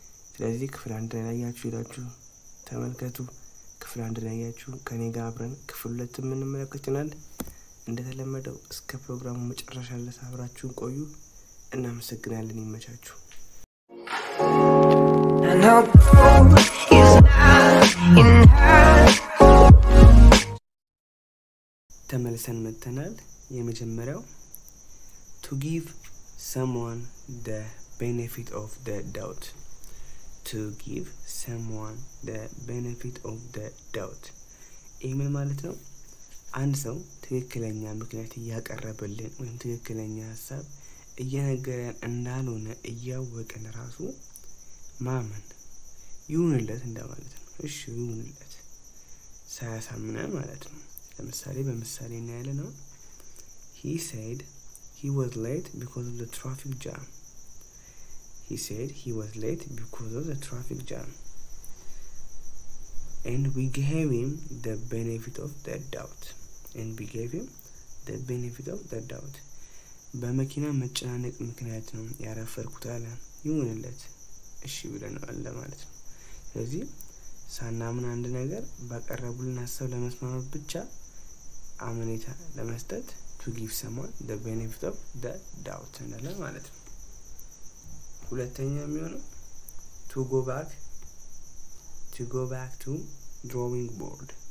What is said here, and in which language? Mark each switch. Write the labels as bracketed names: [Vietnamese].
[Amharic] ስለዚህ ክፍል አንድ ላይ ያያችሁ ሄዳችሁ ተመልከቱ። ክፍል አንድ ላይ ያያችሁ ከኔ ጋር አብረን ክፍል ሁለት የምንመለከትናል። እንደተለመደው እስከ ፕሮግራሙ መጨረሻ ድረስ አብራችሁን ቆዩ። እናመሰግናለን። ይመቻችሁ። ተመልሰን መጥተናል። የመጀመሪያው [English] to give someone the benefit of the doubt. To give someone the benefit of the doubt. [Amharic] ይህ ማለት ነው፣ አንድ ሰው ትክክለኛ ምክንያት እያቀረበልን ወይም ትክክለኛ ሀሳብ እየነገረን እንዳልሆነ እያወቀን ራሱ ማመን ይሁንለት እንደማለት ነው። እሺ ይሁንለት ሳያሳምነን ማለት ነው። ለምሳሌ በምሳሌ እናያለ ነው። [English] He said he was late because of the traffic jam. He said he was late because of the traffic jam. And we gave him the benefit of the doubt. And we gave him the benefit of the doubt. [Amharic] በመኪና መጨናነቅ ምክንያት ነው ያረፈርኩት አለ። ይሁንለት እሺ ብለነው አለ ማለት ነው። ስለዚህ ሳናምን አንድ ነገር ባቀረቡልን ሀሳብ ለመስማማት ብቻ አመኔታ ለመስጠት [English] to give someone the benefit of the doubt [Amharic] እንደለ ማለት ነው። ሁለተኛ የሚሆነው [English] to go back to drawing board.